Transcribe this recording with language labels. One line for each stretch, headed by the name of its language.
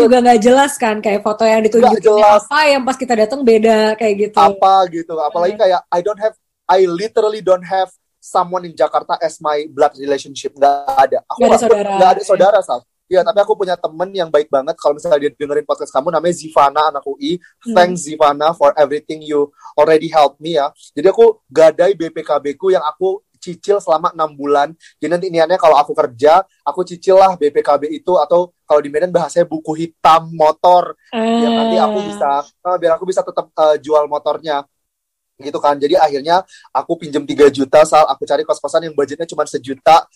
Indonesian: juga nggak jelas kan, kayak foto yang Gak ditunjukinnya jelas. apa yang pas kita datang beda kayak gitu. Apa gitu. Apalagi kayak
English: I literally don't have someone in Jakarta as my blood relationship.
Indonesian: Gak ada. Aku gak ada saudara. Gak ada saudara, Sal. Iya, tapi aku punya temen yang baik banget. Kalau misalnya dia dengerin podcast kamu, namanya Zivana, anak UI.
English: Thanks, Zivana, for everything you already helped me, ya.
Indonesian: Jadi aku gadai BPKB-ku yang aku cicil selama 6 bulan. Jadi nanti niatnya kalau aku kerja, aku cicil lah BPKB itu. Atau kalau di Medan bahasanya buku hitam, motor. Ya, nanti aku bisa, biar aku bisa tetap jual motornya. Gitu kan. Jadi akhirnya aku pinjam 3 juta, Sal. Aku cari kos-kosan yang budgetnya cuma 1 juta.